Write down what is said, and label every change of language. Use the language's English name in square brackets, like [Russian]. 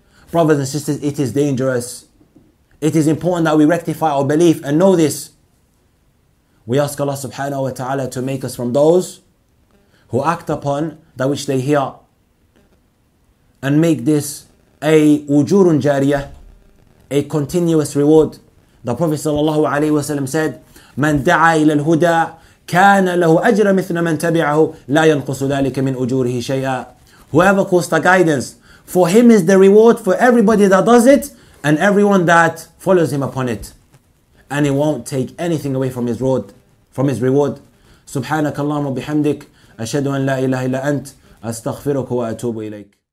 [English] Brothers and sisters, it is dangerous. It is important that we rectify our belief and know this. We ask Allah subhanahu wa ta'ala to make us from those who act upon that which they hear and make this a wujurun jariyah, a continuous reward. The Prophet sallallahu alaihi wasallam said, [Arabic] من دعا إلى الهدى كان له أجر مثل من تبعه لا ينقص ذلك من أجوره شيئا. [English] Whoever calls the guidance, for him is the reward for everybody that does it and everyone that follows him upon it. And he won't take anything away from his reward. [Arabic] Subhanakallahumma bihamdik. أشهد أن لا إله إلا أنت. أستغفرك وأتوب إليك.